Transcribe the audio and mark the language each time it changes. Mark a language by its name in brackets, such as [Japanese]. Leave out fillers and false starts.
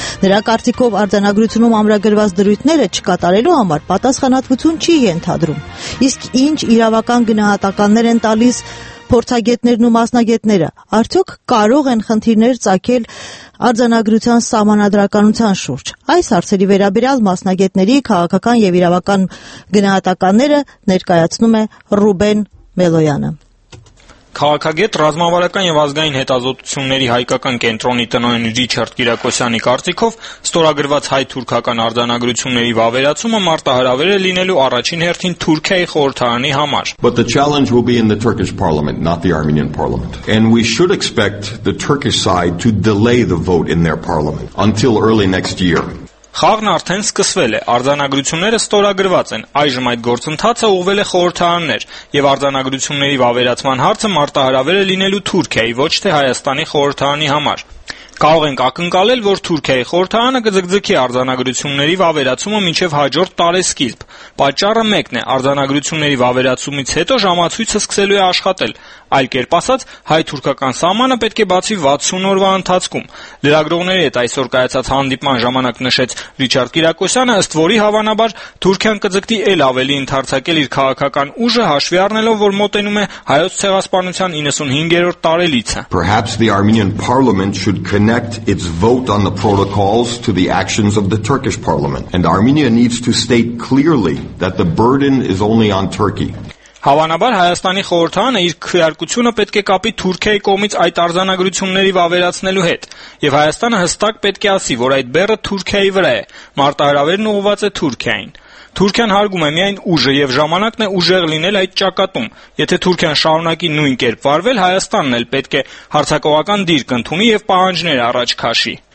[Armenian] Նրա կարծիքով արձանագրությունում ամրագրված դրույթները չկատարելու համար պատասխանատվություն չի ենթադրում։ Իսկ ինչ իրավական գնահատականներ են տալիս փորձագետներն ու մասնագետները, արդյոք կարող են խնդիրներ ծագել արձանագրության սահմանադրականության շուրջ։ Այս հարցերի վերաբերյալ մասնագետների քաղաքական և իրավական գնահատականները ներկայացնում է Ռուբեն Մելոյանը։ Քաղաքագետ, ռազմավարական և ազգային հետազոտությունների հայկական կենտրոնի տնօրեն Ռիչարդ Կիրակոսյանի կարծիքով ստորագրված հայ-թուրքական արձանագրությունների վավերացումը մարտահրավեր է լինելու առաջին հերթին Թուրքիայի խորհրդարանի համար։ [English] But the challenge will be in the Turkish parliament, not the Armenian parliament. And we should expect the Turkish side to delay the vote in their parliament until early next year. [Armenian] Խաղն արդեն սկսվել է, արձանագրությունները ստորագրված են, այժմ այդ գործընթացը ուղղվել է խորհրդարաններ, և արձանագրությունների վավերացման հարցը մարտահրավեր է լինելու Թուրքիայի, ոչ թե Հայաստանի խորհրդարանի համար։ Կարող ենք ակնկալել, որ Թուրքիայի խորհրդարանը կձգձգի արձանագրությունների վավերացումը մինչև հաջորդ տարեսկիզբ։ Պատճառը մեկն է, արձանագրությունների վավերացումից հետո ժամացույցը սկսելու է աշխատել։ Այլ կերպ ասած, հայ-թուրքական սահմանը պետք է բացի 60 օրվա ընթացքում։ Լրագրողների հետ այսօր կայացած հանդիպման ժամանակ նշեց Ռիչարդ Կիրակոսյանը, ըստ որի հավանաբար Թուրքիան կձգտի էլ ավելի ընդարձակել իր քաղաքական ուժը, հաշվի առնելով, որ մոտենում է հայոց ցեղասպանության 95-րդ տարելիցը։ [English] Perhaps the Armenian parliament should connect its vote on the protocols to the actions of the Turkish parliament, and Armenia needs to state clearly that the burden is only on Turkey. [Armenian] Հավանաբար Հայաստանի խորհրդանը իր քյարկությունը պետք է կապի Թուրքիայի կողմից այդ արձանագրությունների վավերացնելու հետ, եւ Հայաստանը հստակ պետք է ասի, որ այդ բեռը Թուրքիայի վրա է, մարտահրավերն ուղղված է Թուրքիային։ Թուրքիան հարգում է միայն ուժը եւ ժամանակն է ուժեղ լինել այդ ճակատում։ Եթե Թուրքիան շարունակի նույն կերպ վարվել, Հայաստանն էլ պետք է հարձակողական դիրք ընդունի եւ պահանջներ առաջ քաշի։